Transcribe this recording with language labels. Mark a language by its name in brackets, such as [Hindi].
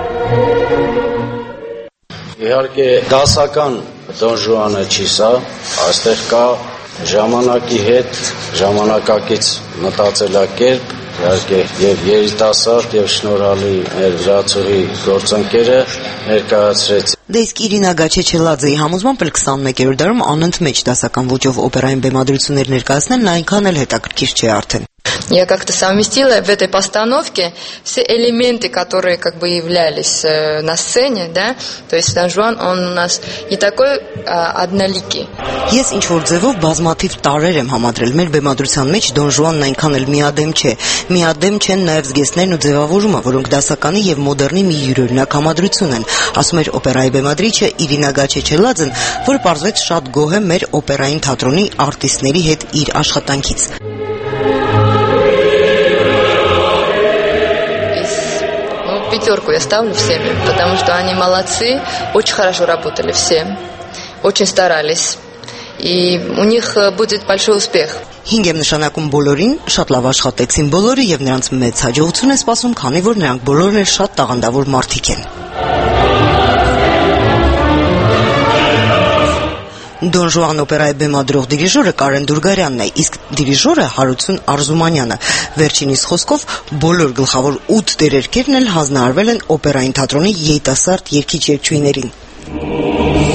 [Armenian] Իհարկե դասական Դոն Ժուանը չի սա, այստեղ կա ժամանակի հետ ժամանակակից մտածելակերպ, իհարկե եւ երիտասարդ եւ շնորհալի մեր վրացուհի գործընկերը ներկայացրեց։ Դե իսկ Իրինա Գաչեչելաձեի համոզմամբ 21-րդ դարում անընդ մեջ դասական ոճով օպերային բեմադրություններ ներկայացնելն այնքան էլ հետաքրքիր չէ արդեն։ [Russian] Я как-то совместила в этой постановке все элементы, которые как бы являлись на сцене, да? То есть Дон Жуан, он у нас не такой одноликий. [Armenian] Ես ինչ որ ձևով բազմաթիվ տարեր եմ համադրել մեր բեմադրության մեջ, Դոն Ժուանն այնքան էլ միադեմ չէ։ Միադեմ չեն նաև զգեստներն ու ձևավորումը, որոնք դասականի եւ մոդեռնի մի յուրօրինակ համադրություն են, ասում էր օպերայի բեմադրիչը Իրինա Գաչեչելաձեն, որը պարզվեց շատ գոհ է մեր օպերային թատրոնի արտիստների հետ իր աշխատանքից։ [Russian] Пятерку я ставлю всем, потому что они молодцы, очень хорошо работали все, очень старались, и у них будет большой успех. [Armenian] Հինգ եմ նշանակում բոլորին, շատ լավ աշխատեցին բոլորը և նրանց մեծ հաջողություն է սպասում, քանի որ նրանք բոլորն էլ շատ տաղանդավոր մարդիկ են։ Դոն Ժուան օպերայի բեմադրող դիրիժորը Կարեն Դուրգարյանն է, իսկ դիրիժորը Հարություն Արզումանյանը։ Վերջինիս խոսքով բոլոր գլխավոր 8 դերերկերն էլ հանձնարարվել են օպերայի թատրոնի երիտասարդ երգիչ երգչուհիներին։